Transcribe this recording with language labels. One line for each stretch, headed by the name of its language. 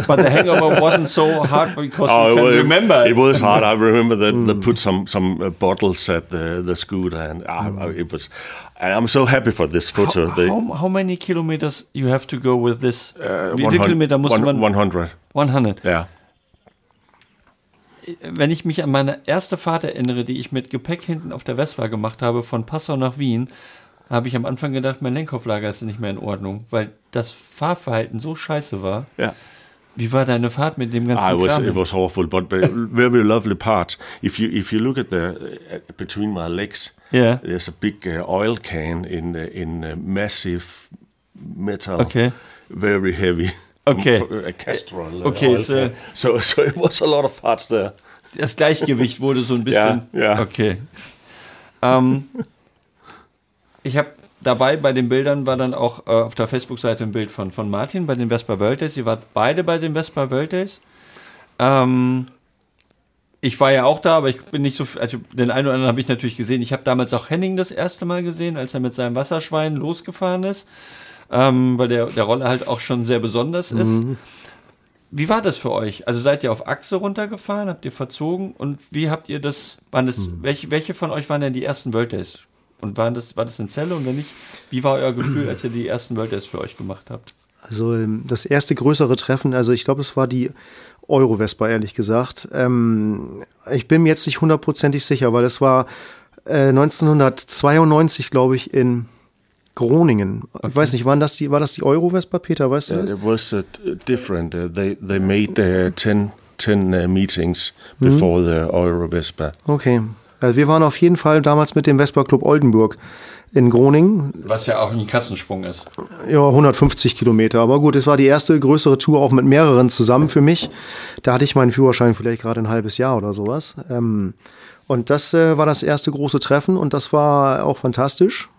English: But the hangover wasn't so hard because remember. It was hard. I remember that they put some bottles at the scooter, and it was. And I'm so happy for this photo. How many kilometers you have to go with this? 100. 100. Yeah.
German: Wenn ich mich an meine erste Fahrt erinnere, die ich mit Gepäck hinten auf der Vespa gemacht habe, von Passau nach Wien, habe ich am Anfang gedacht, mein Lenkkopflager ist nicht mehr in Ordnung, weil das Fahrverhalten so scheiße war. Ja. Wie war deine Fahrt mit dem ganzen Kram?
English: It was awful, but very lovely part. If you look at the between my legs, yeah, there's a big oil can in a massive metal, okay, very heavy. Okay. A Castrol oil. Okay. So it was a lot of parts there.
German: Das Gleichgewicht wurde so ein bisschen. Ja. Yeah, yeah. Okay. Ich habe dabei bei den Bildern, war dann auch auf der Facebook-Seite ein Bild von Martin bei den Vespa World Days. Ihr wart beide bei den Vespa World Days. Ich war ja auch da, aber ich bin nicht so, also den einen oder anderen habe ich natürlich gesehen. Ich habe damals auch Henning das erste Mal gesehen, als er mit seinem Wasserschwein losgefahren ist, weil der Roller halt auch schon sehr besonders ist. Wie war das für euch? Also seid ihr auf Achse runtergefahren, habt ihr verzogen und wie habt ihr das, welche von euch waren denn die ersten World Days? Und war das eine Zelle? Und wenn nicht, wie war euer Gefühl, als ihr die ersten World Days für euch gemacht habt? Also das erste größere Treffen, also ich glaube, es war die Euro-Vespa, ehrlich gesagt. Ich bin mir jetzt nicht hundertprozentig sicher, weil es war 1992, glaube ich, in Groningen. Okay. Ich weiß nicht, war das die Euro-Vespa, Peter, weißt du das?
English: It was different. They made 10 meetings before the Euro-Vespa. Okay.
German: Also wir waren auf jeden Fall damals mit dem Vespa Club Oldenburg in Groningen. Was ja auch ein Kassensprung ist. Ja, 150 Kilometer. Aber gut, es war die erste größere Tour auch mit mehreren zusammen für mich. Da hatte ich meinen Führerschein vielleicht gerade ein halbes Jahr oder sowas. Und das war das erste große Treffen und das war auch fantastisch.